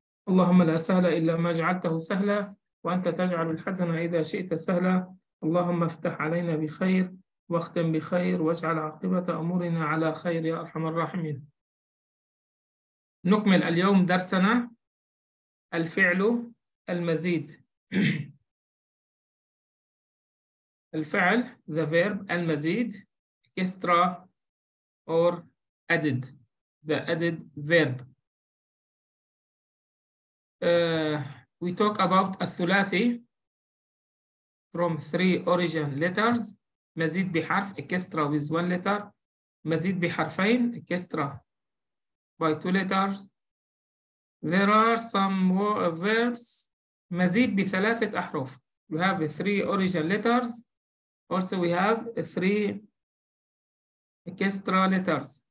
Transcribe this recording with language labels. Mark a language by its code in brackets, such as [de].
[ar] اللهم لا سهل إلا ما جعلته سهلا، وأنت تجعل الحزن إذا شئت سهلا. اللهم افتح علينا بخير واختم بخير، واجعل عاقبة أمورنا على خير يا أرحم الراحمين. نكمل اليوم درسنا الفعل المزيد. [en] الفعل the verb المزيد extra or added the added verb. We talk about الثلاثي from three origin letters. [ar] مزيد بحرف [en] extra with one letter. [ar] مزيد بحرفين [en] extra by two letters. There are some verbs [ar] مزيد بثلاثة أحرف. [en] We have three origin letters. Also we have three extra letters.